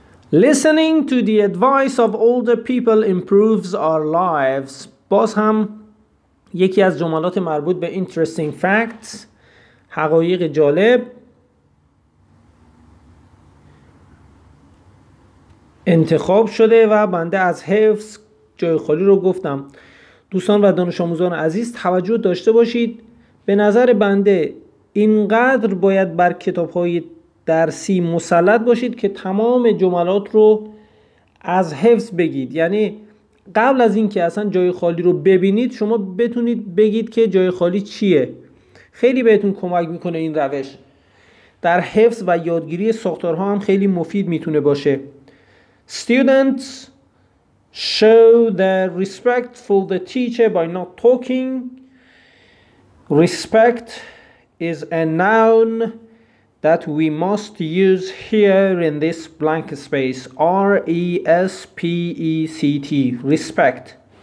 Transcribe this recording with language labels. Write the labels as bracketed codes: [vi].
[en] listening to the advice of older people improves our lives. [fa] باز هم یکی از جملات مربوط به [en] interesting facts، [fa] حقایق جالب، انتخاب شده و بنده از حفظ جای خالی رو گفتم. دوستان و دانش آموزان عزیز توجه داشته باشید، به نظر بنده اینقدر باید بر کتاب‌های درسی مسلط باشید که تمام جملات رو از حفظ بگید، یعنی قبل از اینکه اصلا جای خالی رو ببینید شما بتونید بگید که جای خالی چیه. خیلی بهتون کمک میکنه این روش، در حفظ و یادگیری ساختارها هم خیلی مفید میتونه باشه. [en] students show the respect for the teacher by not talking. respect is a noun that we must use here in this blank space. RESPECT respect.